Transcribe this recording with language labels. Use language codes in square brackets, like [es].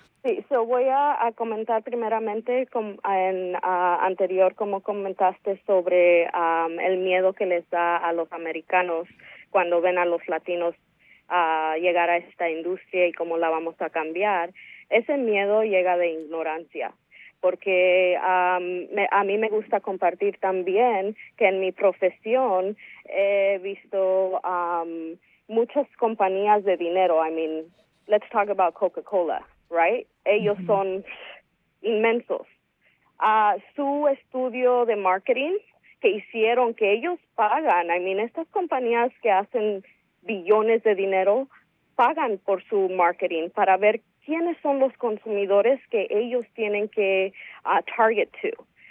[es] Sí, so voy a comentar primeramente anterior, como comentaste sobre el miedo que les da a los americanos cuando ven a los latinos a llegar a esta industria y cómo la vamos a cambiar. Ese miedo llega de ignorancia, porque a mí me gusta compartir también que en mi profesión he visto muchas compañías de dinero. [en] I mean, let's talk about Coca-Cola, right? [es] Ellos mm-hmm. son inmensos. Su estudio de marketing que hicieron, que ellos pagan, [en] I mean, [es] estas compañías que hacen billones de dinero pagan por su marketing para ver quiénes son los consumidores que ellos tienen que [en] target to.